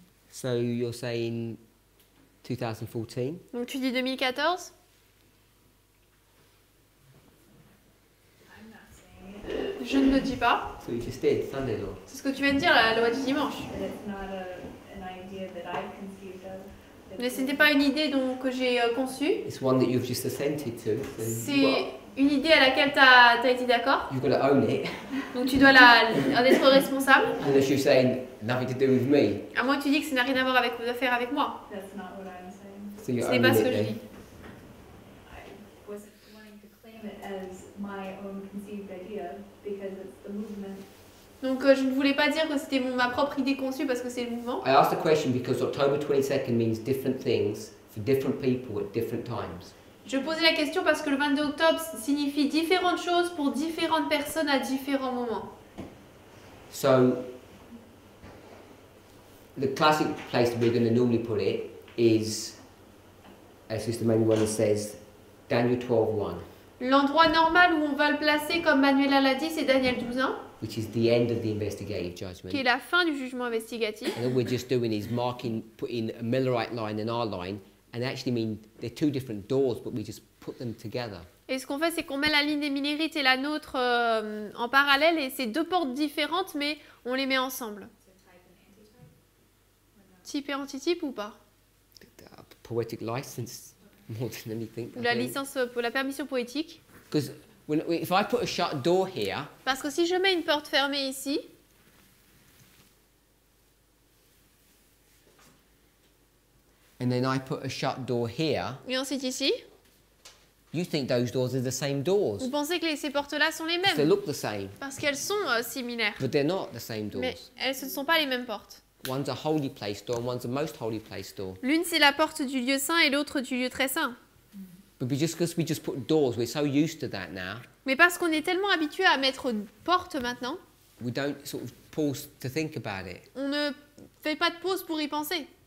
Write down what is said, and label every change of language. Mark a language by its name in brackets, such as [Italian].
[English] So you're saying 2014? [French] Donc tu dis 2014? [English] I'm not saying it. [French] Je ne le dis pas. [English] So you just did Sunday law. [French] C'est ce que tu viens de dire, la loi du dimanche. [English] But it's not an idea that I've conceived of. [French] Mais ce n'était pas une idée donc, que j'ai conçue. [English] It's one that you've just assented to, [French] c'est une idée à laquelle tu as été d'accord. [English] You've got to own it. [French] Donc tu dois en être responsable. [English] Unless you're saying nothing to do with me. [French] À moins que tu dis que ça n'a rien à voir avec de faire avec moi. [English] That's not what I'm saying. So you're [French] ce n'est [English] owning [French] pas ce [English] it, [French] que [English] then. [French] Je dis. [English] I wasn't wanting to claim it as my own conceived idea because it's the movement. [French] Donc je ne voulais pas dire que c'était ma propre idée conçue parce que c'est le mouvement. [English] I asked the question because October 22nd means different things for different people at different times. [French] Je posais la question parce que le 22 octobre signifie différentes choses pour différentes personnes à différents moments. [English] So the classic place we're going to normally put it is, as Sister Manuela says, Daniel 12:1. [French] L'endroit normal où on va le placer, comme Manuela l'a dit, c'est Daniel 12 ans. [English] Which is the end of the investigative judgment. [French] Qui est la fin du jugement investigatif. [English] And all we're just doing is marking, putting a Millerite line and our line, and actually mean they're two different doors, but we just put them together. [French] Et ce qu'on fait, c'est qu'on met la ligne des Millerites et la nôtre en parallèle, et c'est deux portes différentes, mais on les met ensemble. Type et anti-type ou pas? [English] Poetic license, more than anything. [French] La licence pour la permission poétique. [English] Because when if I put a shut door here. [French] Parce que si je mets une porte fermée ici. [English] And then I put a shut door here. [French] Et ensuite ici. [English] You think those doors are the same doors? [French] Vous pensez que ces portes-là sont les mêmes? [English] They look the same. [French] Parce qu'elles sont similaires. [English] But they're not the same doors. [French] Mais elles ne sont pas les mêmes portes. [English] One's a holy place door and one's a most holy place door. [French] L'une c'est la porte du lieu saint et l'autre du lieu très saint. [English] But just because we just put doors, we're so used to that now. [French] Mais parce qu'on est tellement habitué à mettre portes maintenant. [English] We don't sort of pause to think about it. [French] On ne fait pas de pause pour y penser.